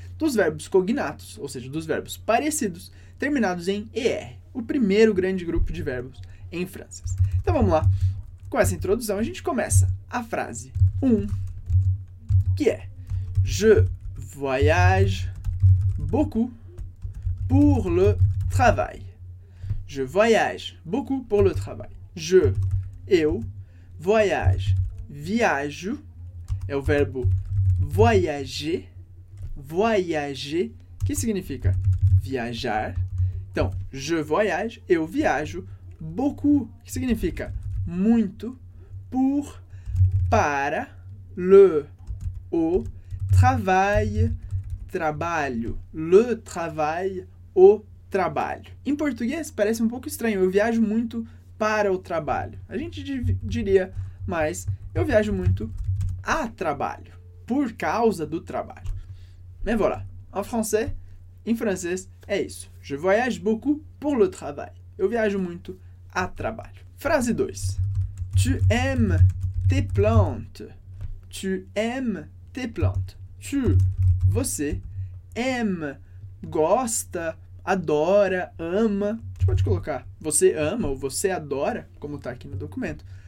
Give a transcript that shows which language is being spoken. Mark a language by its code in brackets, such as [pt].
[pt] Dos verbos cognatos, ou seja, dos verbos parecidos, terminados em ER, o primeiro grande grupo de verbos em francês. Então vamos lá. Com essa introdução, a gente começa a frase 1, que é: [fr] Je voyage beaucoup pour le travail. Je voyage beaucoup pour le travail. [pt] Je, eu, voyage, viajo, é o verbo voyager. Voyager, que significa viajar. Então, je voyage, eu viajo. Beaucoup, que significa muito. Pour, para, le, o, travail, trabalho. Le travail, o trabalho. Em português, parece um pouco estranho. Eu viajo muito para o trabalho. A gente diria, mas eu viajo muito a trabalho, por causa do trabalho. [fr] Mais voilà, en français, [pt] em francês, é isso. [fr] Je voyage beaucoup pour le travail. [pt] Eu viajo muito a trabalho. Frase 2. [fr] Tu aimes tes plantes. Tu aimes tes plantes. Tu, você, aime, gosta, adora, ama. [pt] A gente pode colocar você ama ou você adora, como está aqui no documento.